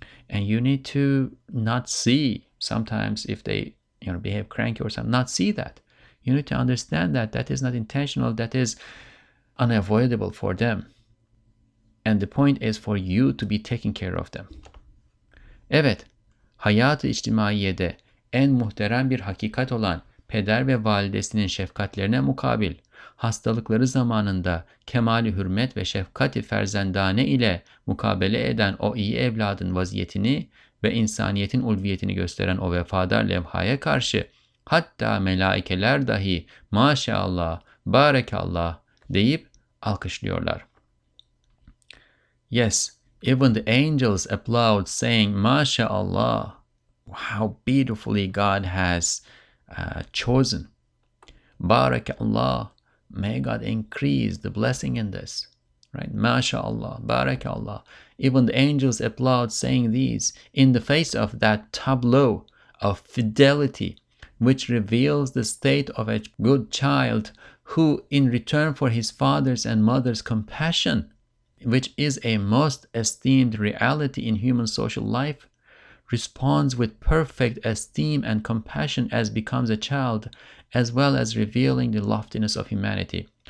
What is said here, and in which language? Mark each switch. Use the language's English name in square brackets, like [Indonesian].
[English] And you need to not see sometimes if they, you know, behave cranky or something, not see that. You need to understand that that is not intentional, that is unavoidable for them. And the point is for you to be taking care of them. [Turkish] Evet, hayat-ı içtimaiyede en muhterem bir hakikat olan peder ve validesinin şefkatlerine mukabil, hastalıkları zamanında kemali hürmet ve şefkati ferzendane ile mukabele eden o iyi evladın vaziyetini ve insaniyetin ulviyetini gösteren o vefadar levhaya karşı hatta melaikeler dahi maşallah, barekallah deyip alkışlıyorlar. [English] Yes, even the angels applaud saying maşallah, how beautifully God has chosen. Barakallah, may God increase the blessing in this. Right? MashaAllah, Barakallah. Even the angels applaud saying these in the face of that tableau of fidelity, which reveals the state of a good child who, in return for his father's and mother's compassion, which is a most esteemed reality in human social life, responds with perfect esteem and compassion as becomes a child, as well as revealing the loftiness of humanity.